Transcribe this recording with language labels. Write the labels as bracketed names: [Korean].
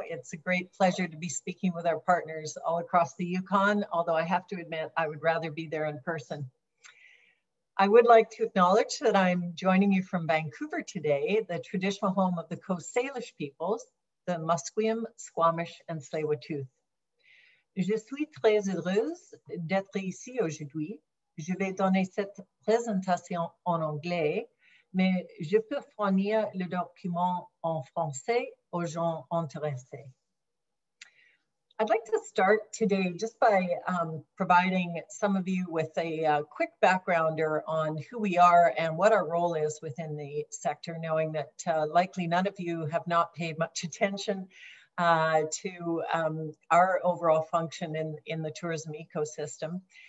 [English] It's a great pleasure to be speaking with our partners all across the Yukon, although I have to admit, I would rather be there in person. I would like to acknowledge that I'm joining you from Vancouver today, the traditional home of the Coast Salish peoples, the Musqueam, Squamish, and Tsleil-Waututh. [French] Je suis très heureuse d'être ici aujourd'hui. Je vais donner cette présentation en anglais, mais je peux fournir le document en français aux gens intéressés. [English] I'd like to start today just by providing some of you with a quick backgrounder on who we are and what our role is within the sector, knowing that likely none of you have not paid much attention to our overall function in the tourism ecosystem.